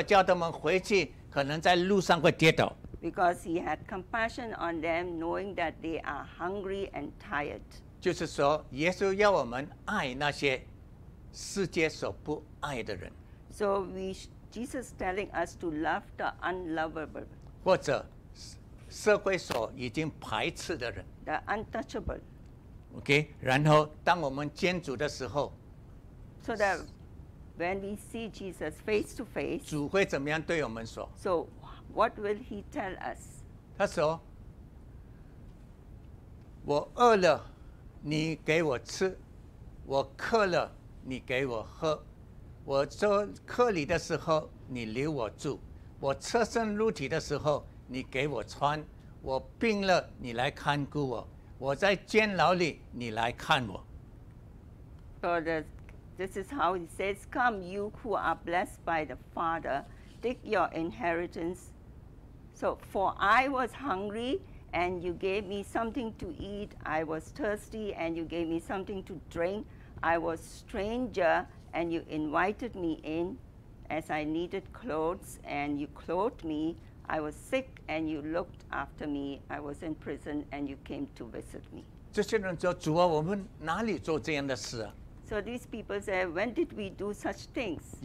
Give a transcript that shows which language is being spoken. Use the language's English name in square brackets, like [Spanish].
[Chinese] 因为他怜悯他们,他们一定累了,他们一定饿了,如果叫他们回去,可能在路上会跌倒。 [English] Because he had compassion on them, knowing that they are hungry and tired. [Chinese] 就是说,耶稣要我们爱那些世界所不爱的人。 [English] So Jesus is telling us to love the unlovable. [Chinese] 或者社会所已经排斥的人。 [English] The untouchable. [Chinese] Okay, 然后当我们见主的时候, [English] So that when we see Jesus face to face, [Chinese] 主会怎么样对我们说? [English] So what will he tell us? [Chinese] 他说, 我饿了,你给我吃, 我渴了,你给我喝, 我做客里的时候,你留我住, 我赤身露体的时候,你给我穿, 我病了,你来看顾我, 我在监牢里,你来看我。 [English] So the this is how it says, come, you who are blessed by the Father, take your inheritance. So, for I was hungry, and you gave me something to eat. I was thirsty, and you gave me something to drink. I was stranger, and you invited me in. As I needed clothes, and you clothed me. I was sick, and you looked after me. I was in prison, and you came to visit me. [Chinese] 这些人说，主啊，我们哪里做这样的事啊？ [English] So these people say, when did we do such things?